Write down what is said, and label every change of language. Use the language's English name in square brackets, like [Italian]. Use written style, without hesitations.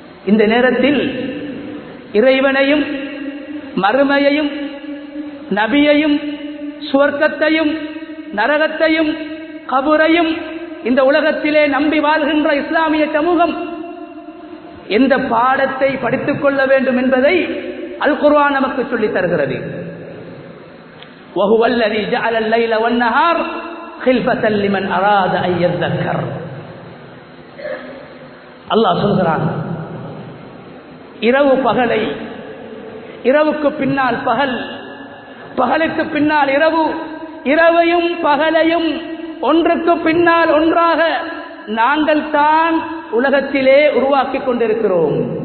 [Tamil] இந்த நேரத்தில் இறைவனையும் மறுமையையும் நபியையும் சுவர்க்கத்தையும் நரகத்தையும் கபூரையும் இந்த உலகத்திலே நம்பி வாழ்கின்ற இஸ்லாமிய சமூகம் எந்த பாடத்தை படித்துக் கொள்ள வேண்டும் என்பதை அல் குர்ஆன் நமக்கு சொல்லித் தருகிறது. [Arabic] وهو الذي جعل الليل والنهار خلفه لمن اراد ان يذكر. [Tamil] الله சொல்றான், இரவு பகலை, இரவுக்கு பின்னால் பகல், பகலுக்கு பின்னால் இரவு, இரவையும் பகலையும் ஒன்றுக்கு பின்னால் ஒன்றாக நாங்கள் தான் உலகத்திலே உருவாக்கிக் கொண்டிருக்கிறோம்.